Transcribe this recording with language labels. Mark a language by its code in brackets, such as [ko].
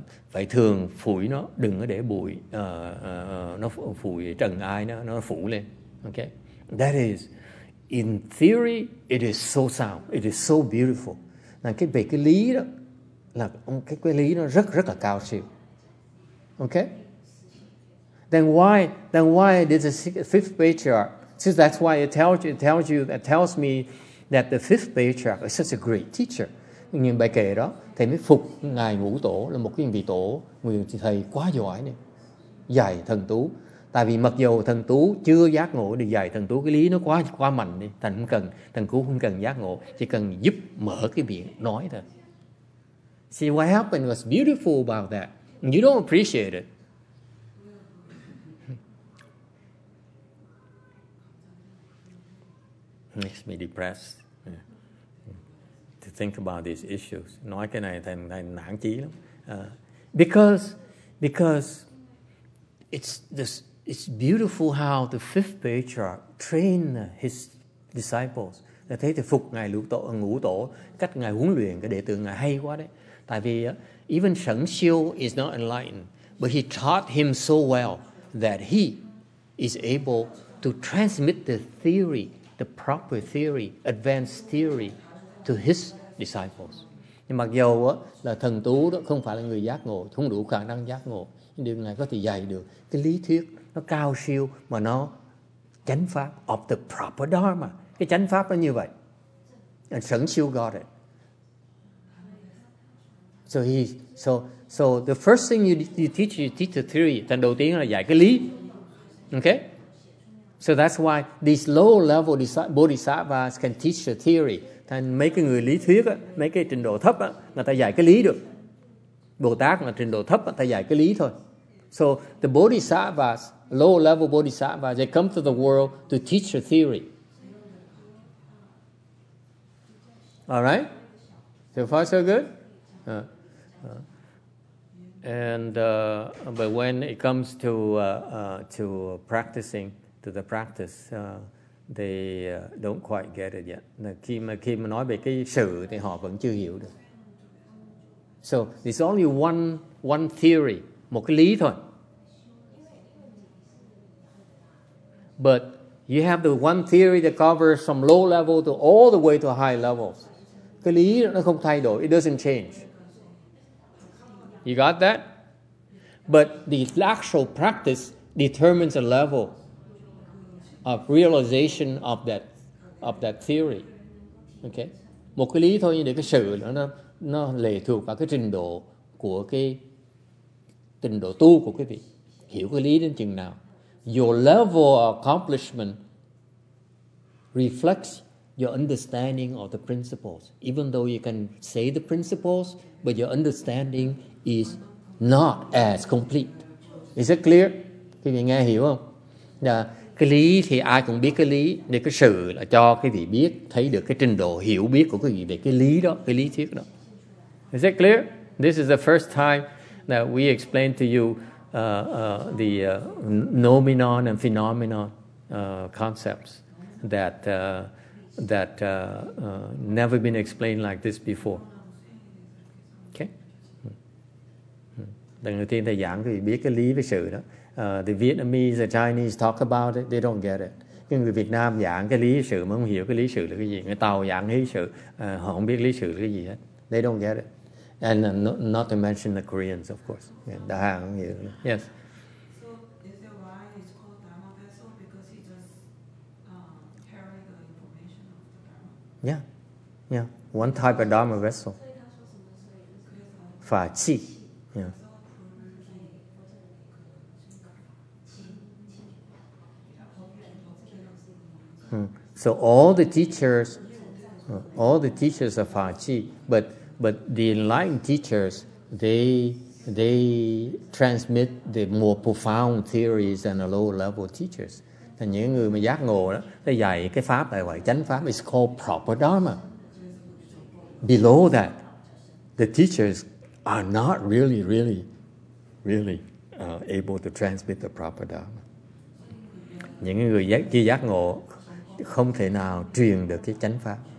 [vi] Phải thường phủi nó, đừng có để bụi nó phủi trần ai nó phủ lên. [en] Okay, that is in theory it is so sound, it is so beautiful. [vi] Là cái về cái lý đó, là cái lý nó rất rất là cao siêu. [en] Okay, then why did the fifth patriarch, since that's why it tells you that tells me that the fifth patriarch is such a great teacher. [vi] Nhìn bài kệ đó, thầy mới phục ngài Ngũ Tổ là một cái vị tổ, người thầy quá giỏi này, dạy thần tú. Tại vì mặc dù thần tú chưa giác ngộ thì dạy thần tú cái lý nó quá mạnh đi, thành không cần, thần cú không cần giác ngộ, chỉ cần giúp mở cái miệng nói thôi. [en] See what happened was beautiful about that. You don't appreciate it. Makes me depressed to think about these issues. [vi] Nói cái này thành nản chí lắm. [en] Because it's beautiful how the fifth patriarch trained his disciples. [vi] Là thấy thì phục ngài Ngũ Tổ cách ngài huấn luyện cái đệ tử ngài hay quá đấy. Tại vì [en] even Sẩn Siêu is not enlightened, but he taught him so well that he is able to transmit the theory, the proper theory, advanced theory to his disciples. [vi] Nhưng mặc dù là thần tú đó không phải là người giác ngộ, không đủ khả năng giác ngộ, nhưng điều này có thể dạy được cái lý thuyết nó cao siêu mà nó chánh pháp [en] of the proper dharma. [vi] Cái chánh pháp nó như vậy. [en] And Sẩn Siêu got it. So the first thing you teach the theory. [vi] Thần đầu tiên là dạy cái lý. [en] Okay? So that's why these low level bodhisattvas can teach the theory. [vi] Thành mấy cái người lý thuyết á, mấy cái trình độ thấp á, người ta dạy cái lý được. Bồ Tát là trình độ thấp, người ta dạy cái lý thôi. [en] So the bodhisattvas, low level bodhisattvas, they come to the world to teach the theory. All right? So far so good? But when it comes to practicing, to the practice, they don't quite get it yet. [vi] Khi mà nói về cái sự thì họ vẫn chưa hiểu được. [en] So it's only one theory, [vi] một cái lý thôi. [en] But you have the one theory that covers from low level to all the way to high levels. [vi] Cái lý nó không thay đổi, [en] it doesn't change. You got that? But the actual practice determines a level of realization of that theory. Okay? [vi] Một cái lý thôi, nhưng để cái sự nó lệ thuộc vào cái trình độ của cái trình độ tu của quý vị. Hiểu cái lý đến chừng nào. [en] Your level of accomplishment reflects your understanding of the principles. Even though you can say the principles, but your understanding is not as complete. Is it clear? [vi] Quý vị nghe hiểu không? Cái lý thì ai cũng biết cái lý, để cái sự là cho cái vị biết, thấy được cái trình độ hiểu biết của cái vị về cái lý đó, cái lý thuyết đó. [en] Is it clear? This is the first time that we explain to you the noumenon and phenomenon concepts that never been explained like this before. Okay? [vi] Lần đầu tiên thầy giảng cái vị biết cái lý với sự đó. [en] The Vietnamese, the Chinese talk about it, they don't get it. [vi] Cái người Việt Nam giảng cái lý sự mà không hiểu cái lý sự là cái gì. Người Tàu giảng lý sự, họ không biết lý sự là cái gì hết. [en] They don't get it. And not to mention the Koreans, of course. Yeah, [vi] Đà Hàng không hiểu. [en] Yes. So, is it why it's called Dharma vessel? Because he just carry the information of the Dharma. Yeah. One type of Dharma vessel. Fa Chi. Yeah. So all the teachers, all the teachers are Fa Chi, but the enlightened teachers, they transmit the more profound theories than the lower level teachers. [vi] Thì những người mà giác ngộ đó, they dạy cái pháp này gọi chánh pháp, [en] is called proper dharma. Below that, the teachers are not really, really, really able to transmit the proper dharma. [vi] Những người chưa giác ngộ không thể nào truyền được cái chánh pháp.